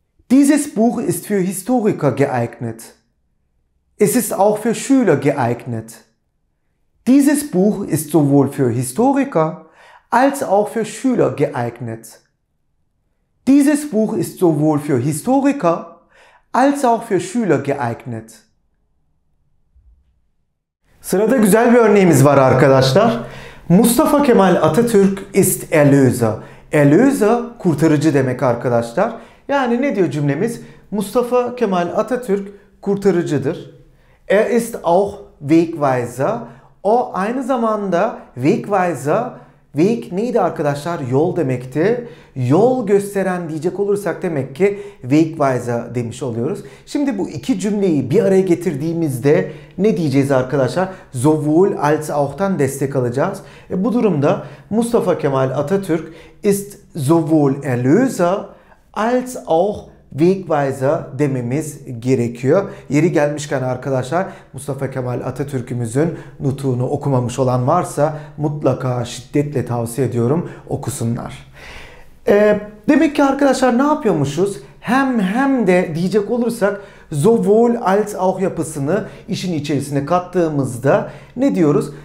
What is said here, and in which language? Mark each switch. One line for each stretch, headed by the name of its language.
German: Dieses Buch ist für Historiker geeignet. Es ist auch für Schüler geeignet. Dieses Buch ist sowohl für Historiker als auch für Schüler geeignet. Dieses Buch ist sowohl für Historiker als auch für Schüler geeignet.
Turkish: Sırada güzel bir örneğimiz var arkadaşlar.
German: Mustafa Kemal Atatürk ist Erlöser.
Turkish: Erlöser kurtarıcı demek arkadaşlar. Yani ne diyor cümlemiz?
German: Mustafa Kemal Atatürk
Turkish: kurtarıcıdır.
German: Er ist auch Wegweiser.
Turkish: O aynı zamanda Wegweiser. Weg neydi arkadaşlar? Yol demekti. Yol gösteren diyecek olursak demek ki Wegweiser demiş oluyoruz. Şimdi bu iki cümleyi bir araya getirdiğimizde ne diyeceğiz arkadaşlar? Sowohl als auch'tan destek alacağız. Bu durumda Mustafa Kemal Atatürk
German: ist sowohl Erlöser als auch
Turkish: Wegweiser dememiz gerekiyor. Yeri gelmişken arkadaşlar, Mustafa Kemal Atatürk'ümüzün nutuğunu okumamış olan varsa mutlaka şiddetle tavsiye ediyorum, okusunlar. Demek ki arkadaşlar ne yapıyormuşuz? Hem de diyecek olursak sowohl als auch yapısını işin içerisine kattığımızda ne diyoruz?